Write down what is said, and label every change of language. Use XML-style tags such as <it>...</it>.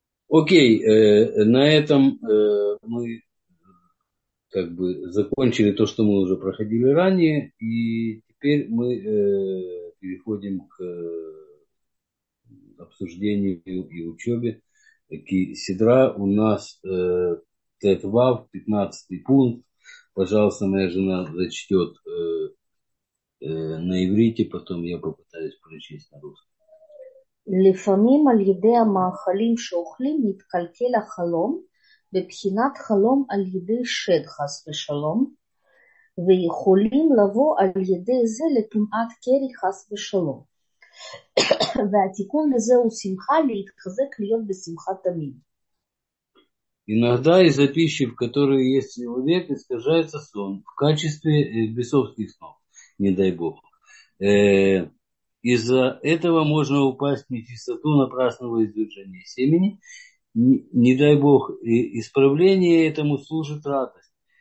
<ru>Окей, на этом мы как бы закончили то, что мы уже проходили ранее, и теперь мы переходим к обсуждению и учебе Кисидра. У нас Тетвав, 15-й пункт. Пожалуйста, моя жена зачтет на иврите, потом я попытаюсь прочесть на русском.</ru> <he>לפעמים על ידי המאכלים שאוכלים מתקלקל החלום בבחינת חלום על ידי שד חס ושלום, ויכולים לבוא על ידי זה לטומאת קרי חס ושלום. והתיקון לזה הוא שמחה להתחזק להיות בשמחה תמיד.</he> <ru>Иногда из-за пищи, в которой есть человек, искажается сон в качестве бесовских снов, не дай бог. Из-за этого можно упасть в нечистоту напрасного извержения семени. Не дай бог, исправление этому служит радость.</ru>